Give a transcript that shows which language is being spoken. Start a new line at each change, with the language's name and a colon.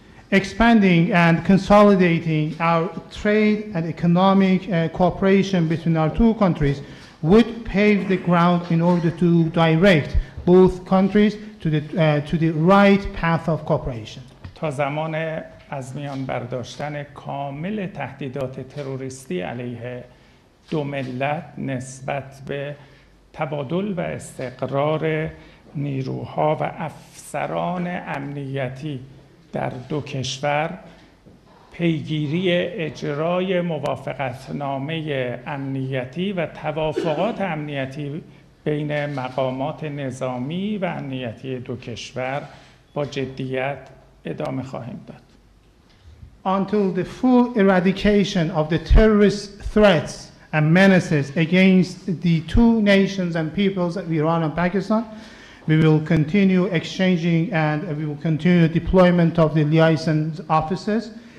English: Expanding and consolidating our trade and economic cooperation between our two countries would pave the ground in order to direct both countries to the right path of cooperation.
Persian: تا زمان از میان برداشتن کامل تهدیدات تروریستی علیه دو ملت نسبت به تبادل و استقرار نیروها و افسران امنیتی در دو کشور پیگیری اجرای موافقتنامه امنیتی و توافقات امنیتی بین مقامات نظامی و امنیتی دو کشور با جدیت ادامه خواهیم داد.
English: Until the full eradication of the terrorist threats and menaces against the two nations and peoples of Iran and Pakistan, we will continue exchanging and we will continue deployment of the liaison officers.